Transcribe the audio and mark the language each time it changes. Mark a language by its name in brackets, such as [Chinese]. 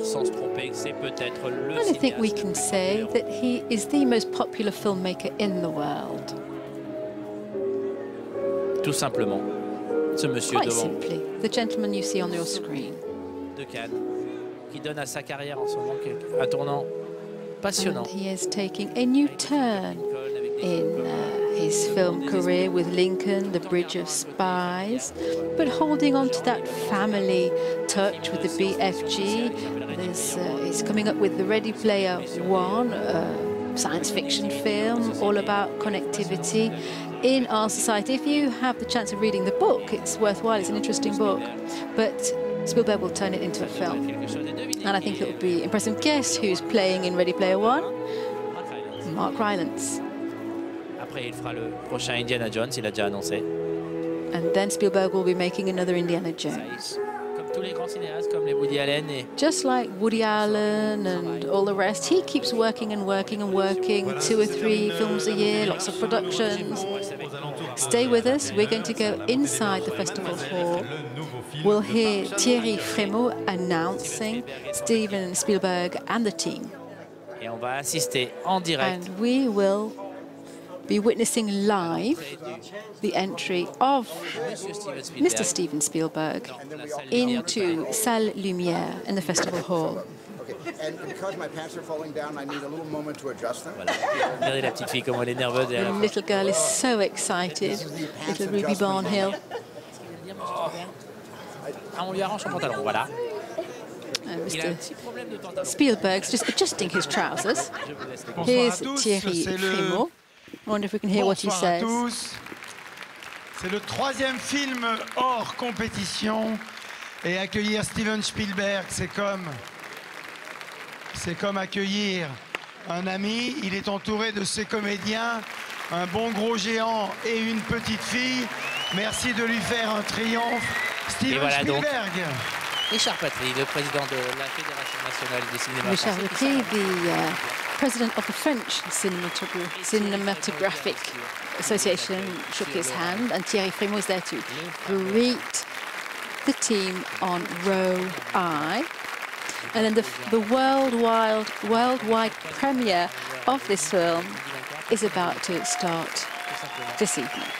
[English] And I think we can say that he is the most popular filmmaker in the world. [French] Tout simplement, ce monsieur devant. [English] Quite simply, the gentleman you see on your screen. [French] De Cannes, qui donne à sa carrière en ce moment un tournant passionnant. [English] And he is taking a new turn in his film career with Lincoln, The Bridge of Spies, but holding on to that family touch with the BFG. He's coming up with the Ready Player One, a science fiction film all about connectivity in our society. If you have the chance of reading the book, it's worthwhile, it's an interesting book, but Spielberg will turn it into a film. And I think it will be impressive. Guess who's playing in Ready Player One? Mark Rylance. [French] Il fera le prochain Indiana Jones, il a déjà annoncé. [English] And then Spielberg will be making another Indiana Jones. [French] Comme tous les grands cinéastes, comme les Woody Allen et... [English] Just like Woody Allen and all the rest, he keeps working and working and working, voilà, two or three films a year, lots of productions. Stay with us, we're going to go inside the festival hall. We'll hear Thierry Frémaux announcing Steven Spielberg and the team. [French] Et on va assister en direct. [English] And we will be witnessing live the entry of Mr. Steven Spielberg into Salle Lumière in the Festival Hall. And because my pants are falling down, I need a little moment to adjust them. [French] Regardez la petite fille, comment elle est nerveuse. [English] The little girl is so excited. Little Ruby Barnhill. [French] On lui arrange son pantalon, voilà. [English] Mr. Spielberg's just adjusting his trousers. Here's Thierry Frémaux. I wonder if we can hear [French] Bonsoir [English] what he says. [French] À tous. C'est le troisième film hors compétition et accueillir Steven Spielberg, c'est comme accueillir un ami. Il est entouré de ses comédiens, un bon gros géant et une petite fille. Merci de lui faire un triomphe, Steven et voilà Spielberg. Donc. Richard Patry, le président de la Fédération nationale du cinéma. [English] Richard Patry, the president of the French Cinematographic Association, shook his hand, and Thierry Frémaux was there to greet the team on row I. And then the worldwide premiere of this film is about to start this evening.